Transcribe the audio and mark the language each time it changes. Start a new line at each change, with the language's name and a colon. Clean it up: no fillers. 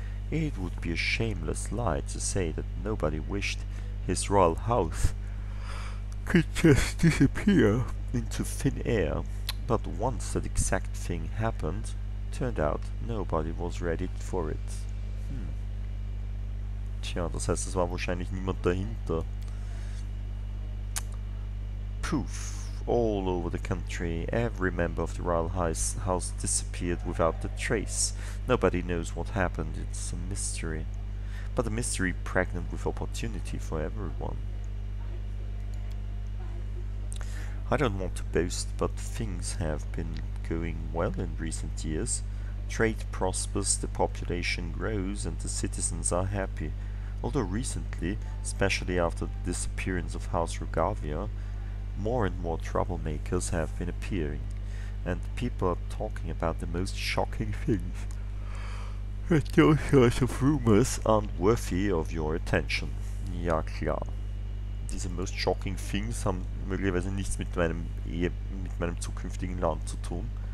English: It would be a shameless lie to say that nobody wished his royal house could just disappear into thin air. But once that exact thing happened, turned out nobody was ready for it.
German: Tja, das heißt, es war wahrscheinlich niemand dahinter.
English: Poof. All over the country, every member of the royal house disappeared without a trace. Nobody knows what happened. It's a mystery. But a mystery pregnant with opportunity for everyone. I don't want to boast, but things have been going well in recent years. Trade prospers, the population grows, and the citizens are happy. Although recently, especially after the disappearance of House Rogavia, more and more troublemakers have been appearing, and people are talking about the most shocking things. But those sorts of rumors aren't worthy of your attention.
German: Ja klar. Diese
English: most shocking things
German: haben möglicherweise nichts mit meinem zukünftigen Land zu tun.